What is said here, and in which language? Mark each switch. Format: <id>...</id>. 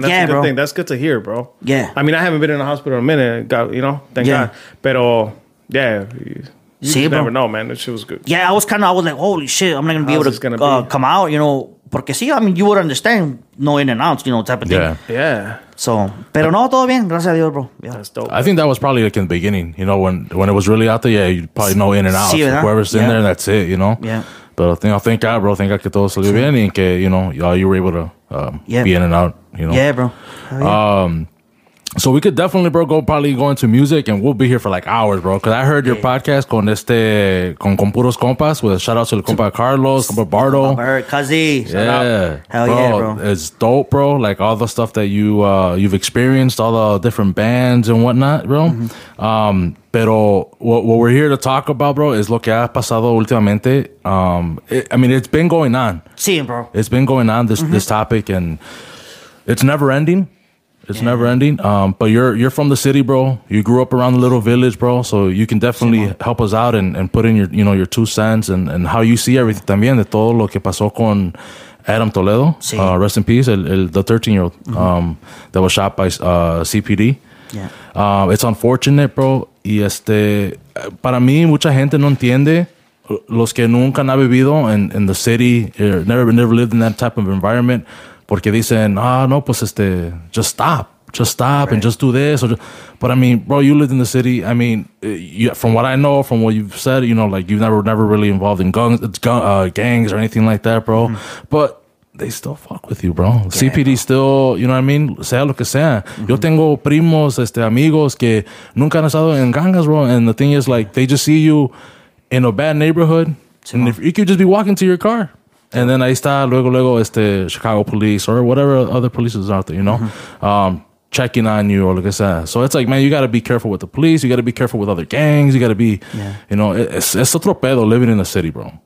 <en>That's a good thing. That's good to hear, bro. Yeah. I mean, I haven't been in a hospital in a minute, thank God.</en> <es>Pero,</es> <en>yeah, you never know, man. That shit was good. Yeah, I was like, holy shit, I'm not going to be able to come out, you know.</en> <es>Porque sí,</es> <en>I mean, you would understand, no in and out, you know, type of thing. Yeah.</en> <es>So, pero no, todo bien, gracias a Dios, bro.</es> <en>Yeah. That's dope, bro. I think that was probably like in the beginning, you know, when it was really out there, yeah, you probably know in and out.</en> <es>Sí,</es> <en>whoever's in there, that's it, you know? Yeah. But I think, thank God, bro. Thank God</en> <es>que todo salió bien y que,</es> <en>you know, you were able to be in and out, you know? Yeah, bro. So we could definitely, bro, probably go into music, and we'll be here for like hours, bro. Because I heard your podcast</en> <es>con este con puros compas,</es> <en>with a shout out to the compa Carlos, compa Bardo, Cuzzy. Hell bro. It's dope, bro. Like all the stuff that you you've experienced, all the different bands and whatnot, bro. Mm-hmm.</en> <es>Pero</es> <en>what we're here to talk about, bro, is</en> <es>lo que ha pasado últimamente.</es> <en>It's been going on.</en> <es>Sí, bro.</es> <en>It's been going on this topic, and it's never ending. It's never ending. But you're from the city, bro. You grew up around the little village, bro. So you can definitely help us out and put in your two cents and how you see everything.</en> <es>También de todo lo que pasó con Adam Toledo.</es> <en>Rest in peace, the 13-year-old that was shot by CPD. Yeah. It's unfortunate, bro.</en> <es>Y para mí mucha gente no entiende los que nunca han vivido</es> <en>in the city, never lived in that type of environment.</en> <es>Porque dicen,</es> <en>just stop and just do this. But I mean, bro, you lived in the city. I mean, from what I know, from what you've said, you know, like you've never really involved in gangs or anything like that, bro. Mm-hmm. But they still fuck with you, bro. Yeah, CPD still, you know what I mean?</en> <es>Sea lo que sea. Mm-hmm. Yo tengo primos, amigos que nunca han estado en gangas, bro.</es> <en>And the thing is, like, they just see you in a bad neighborhood.</en> <es>Sí,</es> <en>and if you could just be walking to your car. And then</en> <es>ahí está, luego,</es> <en>Chicago police or whatever other police is out there, you know, checking on you or</en> <es>lo que sea.</es> <en>So it's like, man, you got to be careful with the police. You got to be careful with other gangs. You got to be, you know, it's</en> <es>otro pedo</es> <en>living in the city, bro.</en>